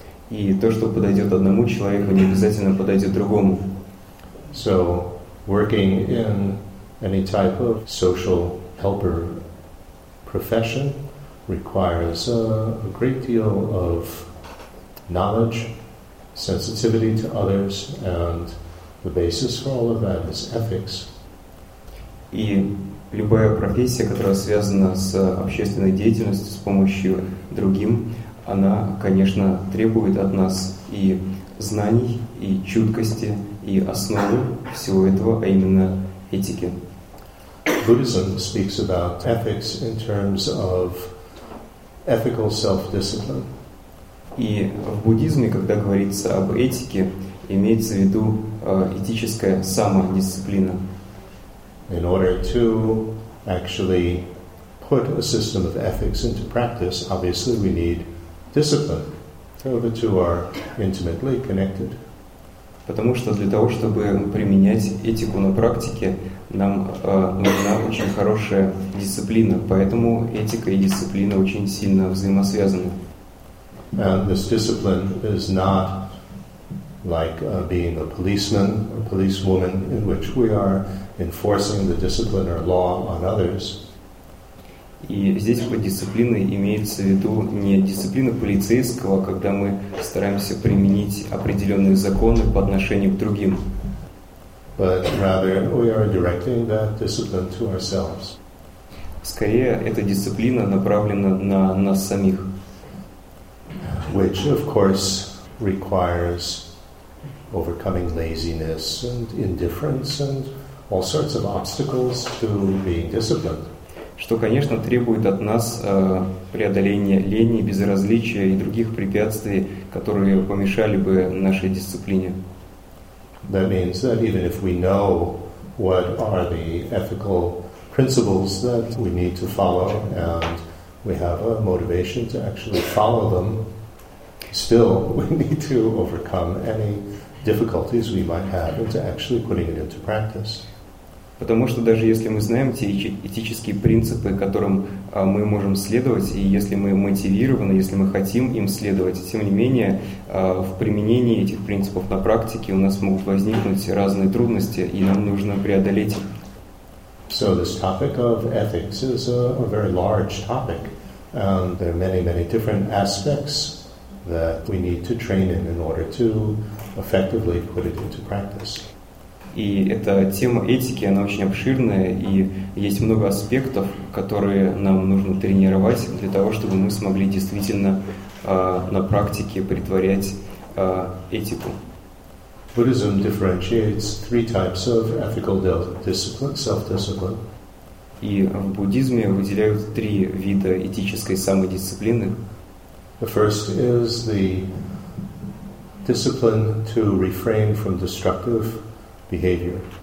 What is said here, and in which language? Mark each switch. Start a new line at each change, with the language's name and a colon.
Russian: И то, что подойдет одному человеку, не обязательно подойдет другому.
English: So, working in any type of social helper profession requires a great deal of knowledge, sensitivity to others, and the basis for all of that is ethics.
Russian: И любая профессия, которая связана с общественной деятельностью, с помощью другим, она, конечно, требует от нас и знаний, и чуткости, и основы всего этого, а именно этики.
English: Buddhism speaks about ethics in terms of ethical self-discipline.
Russian: И в буддизме, когда говорится об этике, имеется в виду этическая самодисциплина.
English: In order to actually put a system of ethics into practice, obviously we need discipline. So the two are intimately connected.
Russian: Потому что для того, чтобы применять этику на практике, нам нужна очень хорошая дисциплина. Поэтому этика и дисциплина очень сильно взаимосвязаны.
English: And this discipline is not like being a policeman, a policewoman, in which we are enforcing the discipline or law on others.
Russian: И здесь под дисциплиной имеется в виду не дисциплина полицейского, когда мы стараемся применить определенные законы по отношению к другим.
English: But rather we are directing that discipline to ourselves.
Russian: Скорее, эта дисциплина направлена на нас самих.
English: Which, of course, requires overcoming laziness and indifference and all sorts of obstacles to being disciplined.
Russian: Что, конечно, требует от нас преодоления лени, безразличия и других препятствий, которые помешали бы нашей дисциплине.
English: That means that even if we know what are the ethical principles that we need to follow and we have a motivation to actually follow them, still we need to overcome any difficulties we might have into actually putting it into practice.
Russian: Потому что даже если мы знаем те этические принципы, которым мы можем следовать, и если мы мотивированы, если мы хотим им следовать, тем не менее, в применении этих принципов на практике у нас могут возникнуть разные трудности, и нам нужно преодолеть их.
English: So this topic of ethics is a very large topic, and there are many, many different aspects that we need to train in order to effectively put it into practice.
Russian: И эта тема этики, она очень обширная, и есть много аспектов, которые нам нужно тренировать для того, чтобы мы смогли действительно на практике претворять этику.
English: Buddhism differentiates three types of ethical discipline, self-discipline.
Russian: И в буддизме выделяют три вида этической самодисциплины.
English: The first is the discipline to refrain from destructive behavior.